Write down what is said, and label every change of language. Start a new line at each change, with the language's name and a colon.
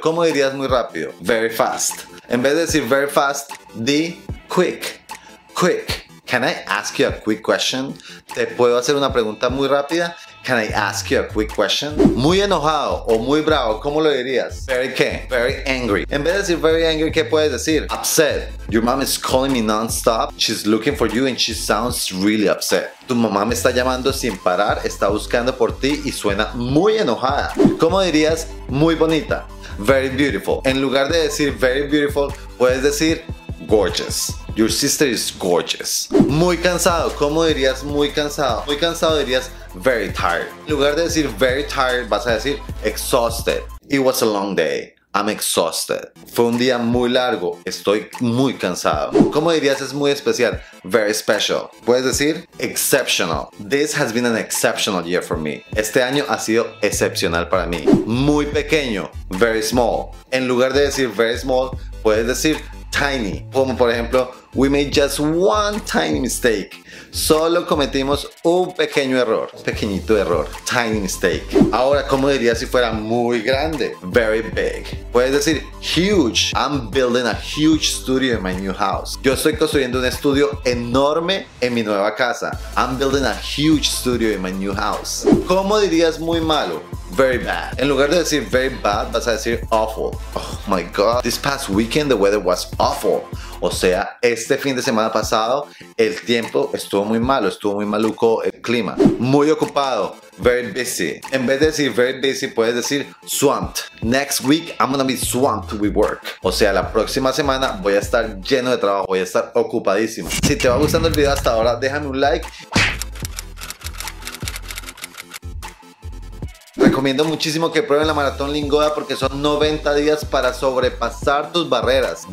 Spanish: ¿Cómo dirías muy rápido?
English: Very fast.
Spanish: En vez de decir
English: very fast,
Spanish: di quick. Quick.
English: Can I ask you a quick question?
Spanish: ¿Te puedo hacer una pregunta muy rápida?
English: Can I ask you a quick question?
Spanish: Muy enojado o muy bravo, ¿cómo lo dirías? Very qué?
English: Very angry.
Spanish: En vez de decir
English: very angry,
Spanish: ¿qué puedes decir?
English: Upset. Your mom is calling me non-stop. She's looking for you and she sounds really upset.
Spanish: Tu mamá me está llamando sin parar, está buscando por ti y suena muy enojada. ¿Cómo dirías muy bonita?
English: Very beautiful.
Spanish: En lugar de decir
English: very beautiful,
Spanish: puedes decir gorgeous.
English: Your sister is gorgeous.
Spanish: Muy cansado. ¿Cómo dirías muy cansado? Muy cansado dirías
English: very tired.
Spanish: En lugar de decir
English: very tired,
Spanish: vas a decir exhausted.
English: It was a long day. I'm exhausted.
Spanish: Fue un día muy largo. Estoy muy cansado. ¿Cómo dirías es muy especial?
English: Very special.
Spanish: Puedes decir exceptional.
English: This has been an exceptional year for me.
Spanish: Este año ha sido excepcional para mí. Muy pequeño.
English: Very small.
Spanish: En lugar de decir
English: very small,
Spanish: puedes decir tiny. Como por ejemplo,
English: We made just one tiny mistake.
Spanish: Solo cometimos un pequeño error. Pequeñito error.
English: Tiny mistake.
Spanish: Ahora, ¿cómo dirías si fuera muy grande?
English: Very big.
Spanish: Puedes decir huge.
English: I'm building a huge studio in my new house.
Spanish: Yo estoy construyendo un estudio enorme en mi nueva casa.
English: I'm building a huge studio in my new house.
Spanish: ¿Cómo dirías muy malo?
English: Very bad.
Spanish: En lugar de decir
English: very bad,
Spanish: vas a decir awful.
English: Oh my God. This past weekend, the weather was awful.
Spanish: O sea, este fin de semana pasado, el tiempo estuvo muy malo, estuvo muy maluco el clima. Muy ocupado.
English: Very busy.
Spanish: En vez de decir
English: very busy,
Spanish: puedes decir swamped.
English: Next week, I'm gonna be swamped with work.
Spanish: O sea, la próxima semana voy a estar lleno de trabajo, voy a estar ocupadísimo. Si te va gustando el video hasta ahora, déjame un like. Recomiendo muchísimo que prueben la Maratón Lingoda porque son 90 días para sobrepasar tus barreras.